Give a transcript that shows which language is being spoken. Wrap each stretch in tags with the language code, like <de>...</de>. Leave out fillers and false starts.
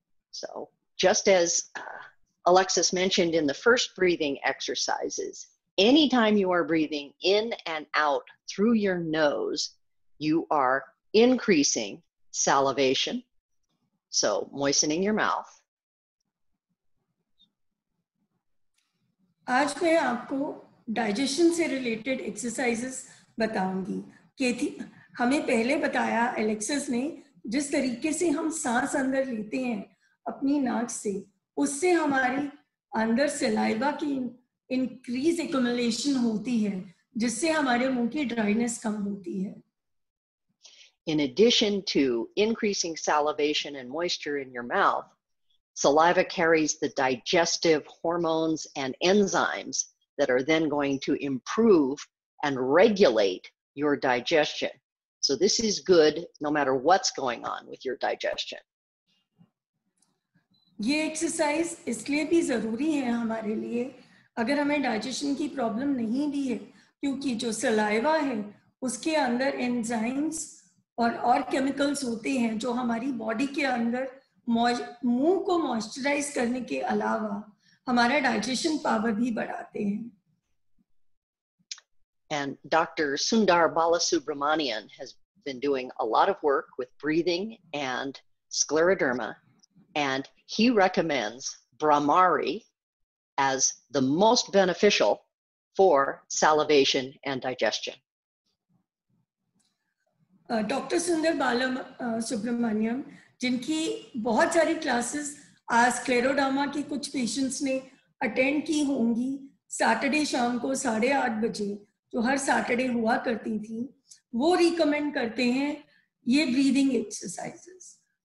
<en>So just as Alexis mentioned in the first breathing exercises, anytime you are breathing in and out through your nose, you are increasing salivation, so moistening your mouth.</en> <hi>आज मैं आपको digestion से related exercises बताऊंगी। केथी हमें पहले बताया Alexis ने जिस तरीके से हम सांस अंदर लेते हैं अपनी नाक से उससे हमारी अंदर सलाइवा की इंक्रीज एक्युमुलेशन होती है जिससे हमारे मुंह की ड्राइनेस कम होती है।</hi> <en>In addition to increasing salivation and moisture in your mouth, saliva carries the digestive hormones and enzymes that are then going to improve and regulate your digestion. So this is good no matter what's going on with your digestion.</en> <hi>ये exercise इसलिए भी जरूरी है हमारे लिए अगर हमें digestion की problem नहीं भी है क्योंकि जो saliva है उसके अंदर enzymes और chemicals होते हैं जो हमारी body के अंदर मुंह को मॉइस्चराइज करने के अलावा हमारा डाइजेशन पावर भी बढ़ाते हैं।</hi> <en>And Dr. Sundar Balasubramanian has been doing a lot of work with breathing and scleroderma, and he recommends Brahmari as the most beneficial for salivation and digestion. Dr.</en> <hi>Sundar Balasubramanian जिनकी बहुत सारी classes आज scleroderma के कुछ patients ने attend की होंगी Saturday शाम को 8:30 बजे जो हर सैटरडे हुआ करती थी वो रिकमेंड करते हैं ये ब्रीदिंग एक्सरसाइजेस</hi>